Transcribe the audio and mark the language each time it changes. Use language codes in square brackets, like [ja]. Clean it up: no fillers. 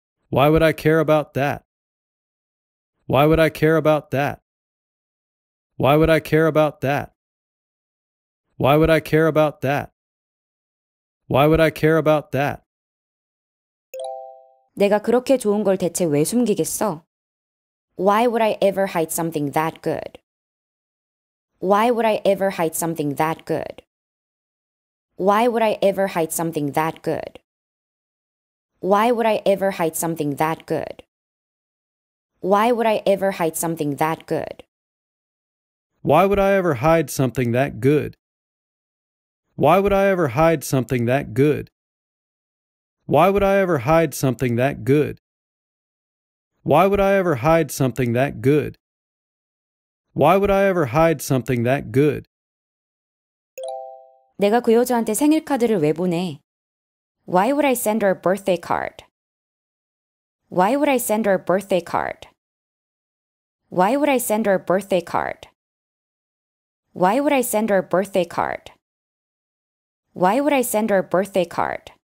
[en] Why would I care about that? Why would I care about that? Why would I care about that? Why would I care about that? Why would I care about that? [ko] 내가 그렇게 좋은 걸 대체 왜 숨기겠어? [en] Why would I ever hide something that good? Why would I ever hide something that good? Why would I ever hide something that good? Why would I ever hide something that good? Why would I ever hide something that good? Why would I ever hide something that good? Why would I ever hide something that good? Why would I ever hide something that good? Why would I ever hide something that good? Why would I ever hide something that good? [ko] 내가 그 여자한테 생일카드를 왜 보내? [en] Why would I send her a birthday card? Why would I send her a birthday card? Why would I send her a birthday card? Why would I send her a birthday card? Why would I send her a birthday card?